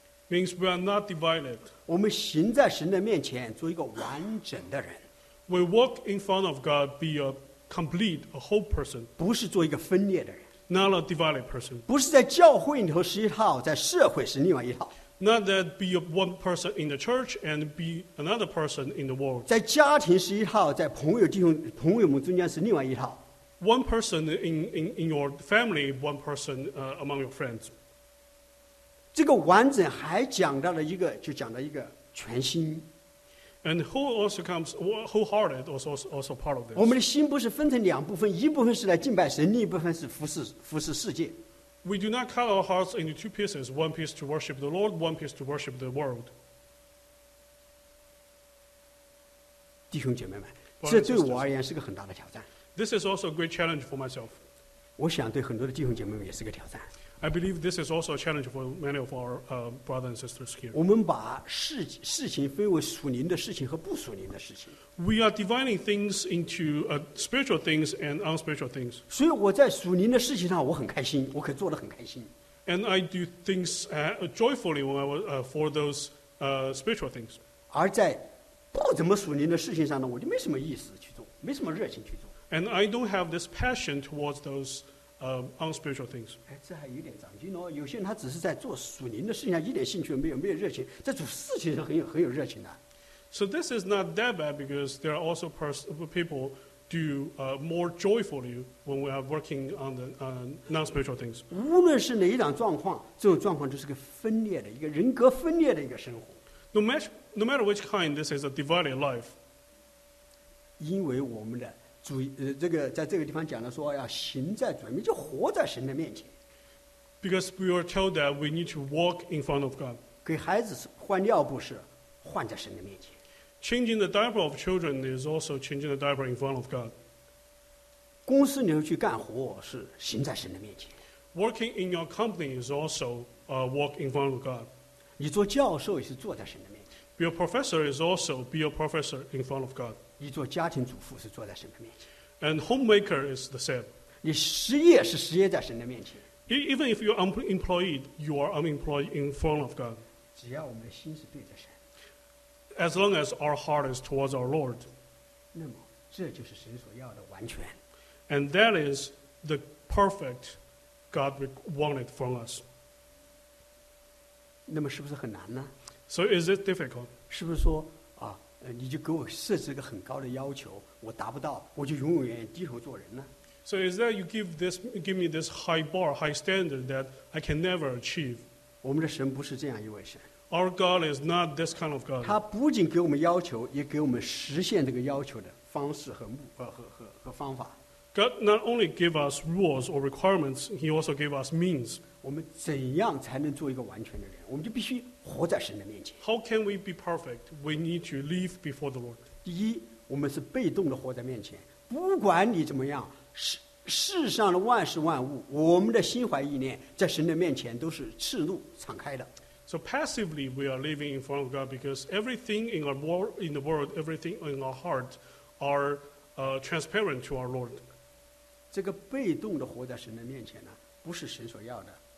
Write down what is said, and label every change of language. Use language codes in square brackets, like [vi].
[en] Means we are not divided. [zh] 我们行在神的面前, 做一个完整的人。 [en] We walk in front of God, be a complete, a whole person. [zh] 不是做一个分裂的人, [en] not a divided person. [zh] 不是在教会里头是一套, 在社会是另外一套。 [en] Not that be one person in the church and be another person in the world. [zh] 在家庭是一套, 在朋友弟兄们中间是另外一套。 [en] One person in your family, one person among your friends. [zh] 这个完整还讲到了一个, 就讲到一个全心。 [en] And who also comes wholehearted also part of this. [zh] 我们的心不是分成两部分, 一部分是来敬拜神, 另一部分是服侍世界。 [en] We do not cut our hearts into two pieces, one piece to worship the Lord, one piece to worship the world. [zh] 弟兄姐妹们, 这对我而言是个很大的挑战。 [en] This is also a great challenge for myself. [zh] 我想对很多的弟兄姐妹们也是个挑战。 [en] I believe this is also a challenge for many of our brothers and sisters here. [zh] 我们把事情分为属灵的事情和不属灵的事情。 [en] We are dividing things into spiritual things and unspiritual things. [zh] 所以我在属灵的事情上我很开心, 我可做得很开心。 [en] And I do things joyfully when I was, for those spiritual things. [zh] 而在不怎么属灵的事情上呢, 我就没什么意思去做, 没什么热情去做。 [en] And I don't have this passion towards those unspiritual things. [zh] 这还有点长进哦, 有些人他只是在做属灵的事情上一点兴趣没有, 没有热情, 在主事情上很有, 很有热情的。 [en] So this is not that bad because there are also people do more joyfully when we are working on the non-spiritual things. [zh] 无论是哪一种状况, 这种状况就是个分裂的, 一个, 人格分裂的一个生活。 [en] No matter which kind, this is a divided life. [zh] 因为我们的 这个在这个地方讲的说要行在主面前, 就活在神的面前。 [en] Because we are told that we need to walk in front of God. [zh] 给孩子换尿布是, 换在神的面前。 [en] Changing the diaper of children is also changing the diaper in front of God. [zh] 公司里头去干活是行在神的面前。 [en] Working in your company is also walk in front of God. [zh] 你做教授也是坐在神的面前。 [en] Be a professor is also be a professor in front of God. [zh] 你做家庭主妇是坐在神的面前。 [en] And homemaker is the same. [zh] 你失业是失业在神的面前。 [en] Even if you're unemployed, you are unemployed in front of God. [zh] 只要我们的心是对着神。 [en] As long as our heart is towards our Lord. [zh] 那么这就是神所要的完全。 [en] And that is the perfect God wanted from us. [zh] 那么是不是很难呢? [en] So is it difficult? [zh] 是不是说, 你就给我设置一个很高的要求, 我达不到, 我就永远低头做人呢? [en] So is that you give me this high bar, high standard that I can never achieve? [zh] 我们的神不是这样一位神。 [en] Our God is not this kind of God. [zh] 他不仅给我们要求, 也给我们实现这个要求的方式和方法。 [en] God not only give us rules or requirements, He also give us means. [zh] 我们怎样才能做一个完全的人?我们就必须活在神的面前。 [en] How can we be perfect? We need to live before the Lord. [zh] 第一, 我们是被动地活在面前, 不管你怎么样, 世上的万事万物, 我们的心怀意念, 在神的面前都是赤露敞开的。 [en] So passively we are living in front of God because everything in our world, in the world, everything in our heart are transparent to our Lord. [zh] 这个被动地活在神的面前呢, 不是神所要的。